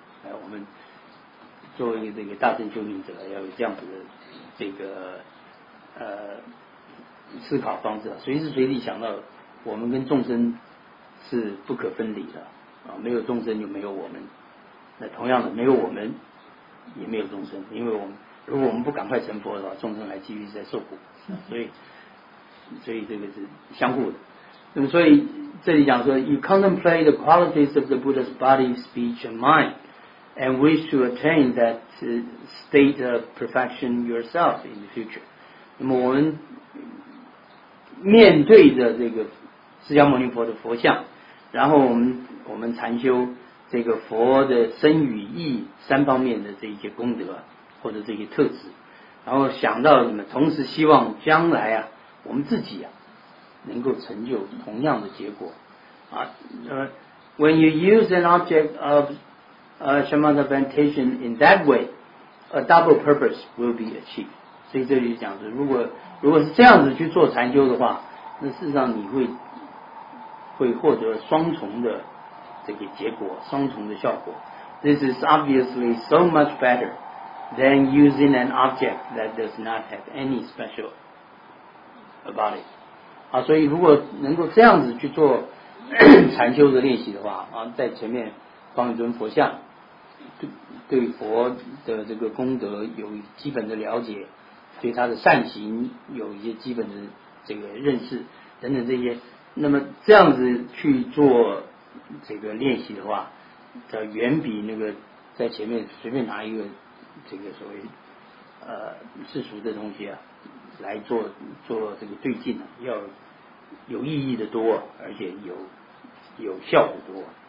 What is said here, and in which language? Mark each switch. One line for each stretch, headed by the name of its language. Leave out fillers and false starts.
Chinese: 哎，我们作为这个大乘修行者要有这样子的这个思考方式，随时随地想到我们跟众生是不可分离的啊，没有众生就没有我们。那同样的，没有我们也没有众生，因为我们如果我们不赶快成佛的话，众生还继续在受苦，所以这个是相互的。那么所以这里讲说
English: you contemplate the qualities of the Buddha's body, speech and mind and wish to attain that state of perfection yourself in the future。
Chinese: 那么我们面对着这个释迦牟尼佛的佛像，然后我们禅修这个佛的身语意三方面的这一些功德或者这些特质，然后想到什么，同时希望将来啊我们自己啊能够成就同样的结果啊。
English: When you use an object of shamatha meditation in that way, a double purpose will be achieved。
Chinese: 所以这里讲的，如果是这样子去做禅修的话，那事实上你会获得双重的这个结果，双重的效果。
English: This is obviously so much better than using an object that does not have any special about it。
Chinese: 啊，所以如果能够这样子去做禅修的练习的话啊，在前面放一尊佛像，对佛的这个功德有基本的了解，对他的善行有一些基本的这个认识等等这些，那么这样子去做这个练习的话，这远比那个在前面随便拿一个这个所谓世俗的东西啊来做这个对境啊，要有意义的多，而且有效的多。